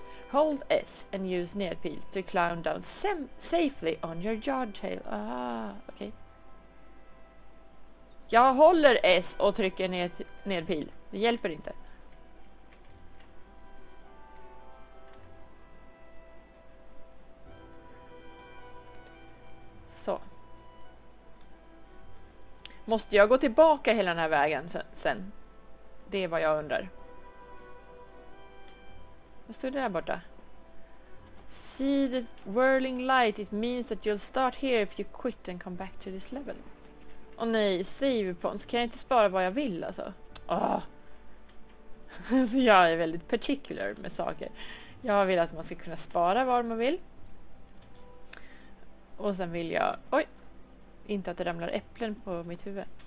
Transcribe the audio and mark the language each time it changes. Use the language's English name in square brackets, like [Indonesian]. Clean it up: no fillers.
[English] Hold S and use ned peel to climb down safely on your yard tail. [Swedish] Ah, okej. Okay. Jag håller S och trycker ned peel. Det hjälper inte. Så. Måste jag gå tillbaka hela den här vägen sen? Det är vad jag undrar. Vad stod det där borta? [English] See the whirling light. It means that you'll start here if you quit and come back to this level. [Swedish] Oh nej, [English] save points. [Swedish] Kan jag inte spara vad jag vill alltså? Oh. Så jag är väldigt particular med saker. Jag vill att man ska kunna spara vad man vill. Och sen vill jag... Oj! Inte att det ramlar äpplen på mitt huvud.